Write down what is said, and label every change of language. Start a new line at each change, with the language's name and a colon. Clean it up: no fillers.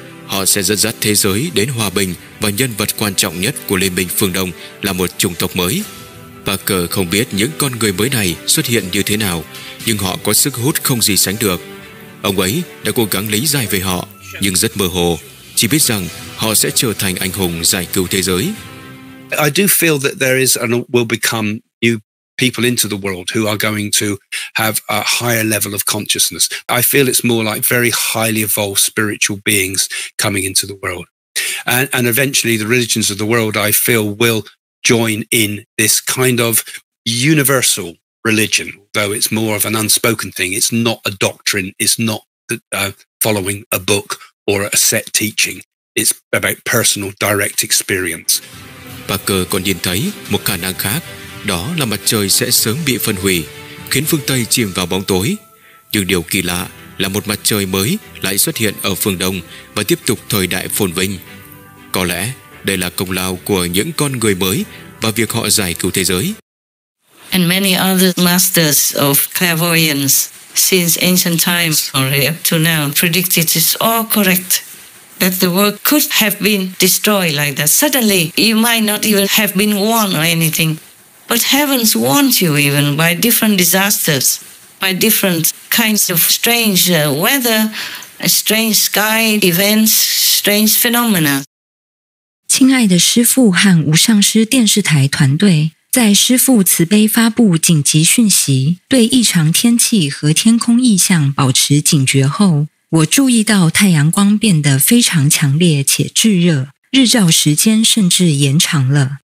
Vietnamese: Họ sẽ dẫn dắt thế giới đến hòa bình và nhân vật quan trọng nhất của Liên minh Phương Đông là một chủng tộc mới. Parker không biết những con người mới này xuất hiện như thế nào, nhưng họ có sức hút không gì sánh được. Ông ấy đã cố gắng lý giải về họ, nhưng rất mơ hồ, chỉ biết rằng họ sẽ trở thành anh hùng giải cứu thế giới.
English: I do feel that there is and will become new people into the world who are going to have a higher level of consciousness. I feel it's more like very highly evolved spiritual beings coming into the world. And eventually the religions of the world, I feel, will join in this kind of universal religion, though it's more of an unspoken thing. It's not a doctrine. It's not following a book or a set teaching. It's about personal direct experience.
Vietnamese: Parker còn nhìn thấy một khả năng khác, đó là mặt trời sẽ sớm bị phân hủy, khiến phương Tây chìm vào bóng tối. Nhưng điều kỳ lạ là một mặt trời mới lại xuất hiện ở phương Đông và tiếp tục thời đại phồn vinh. Có lẽ đây là công lao của những con người mới và việc họ giải cứu thế giới.
English: And many other masters of clairvoyance since ancient times already up to now predicted it's all correct. That the world could have been destroyed like that. Suddenly, you might not even have been warned or anything. But heavens warns you even by different disasters, by different kinds of strange weather, strange sky events, strange phenomena.
Chinese: 亲爱的师父和无上师电视台团队，在师父慈悲发布紧急讯息，对异常天气和天空异象保持警觉后，我注意到太阳光变得非常强烈且炙热，日照时间甚至延长了。